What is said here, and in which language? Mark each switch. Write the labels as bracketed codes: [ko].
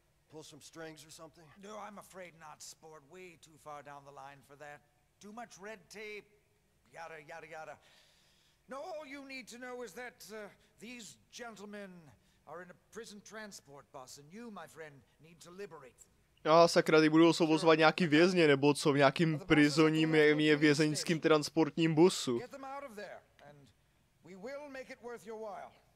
[en] Pull some strings or something? No, I'm afraid not, sport. Way too far down the line for that. Too much red tape. Yada, yada, yada. No, all you need to know is that these gentlemen are in a prison transport bus, and you, my friend, need to liberate them. [cs] Ah, sakra, ty budu osvobozovat nějaký vězně, nebo co, v nějakým prizoním, je vězeňským transportním busu. [en] Get them out of there, and we will make it worth your while.